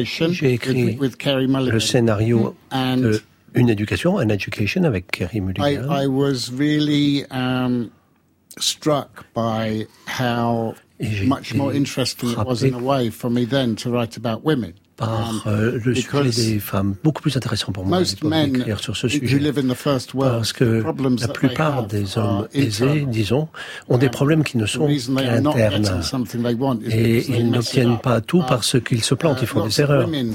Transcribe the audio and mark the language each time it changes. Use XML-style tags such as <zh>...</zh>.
<fr>J'ai écrit le scénario de Une éducation, An Education, avec Carey Mulligan.</fr> <en>I was really struck by how much more interesting it was in a way for me then to write about women.</en> <fr>Par le sujet des femmes, beaucoup plus intéressant pour moi d'écrire sur ce sujet. Parce que la plupart des hommes aisés, disons, ont des problèmes qui ne sont qu'internes. Et ils n'obtiennent pas tout parce qu'ils se plantent, ils font des erreurs.</fr>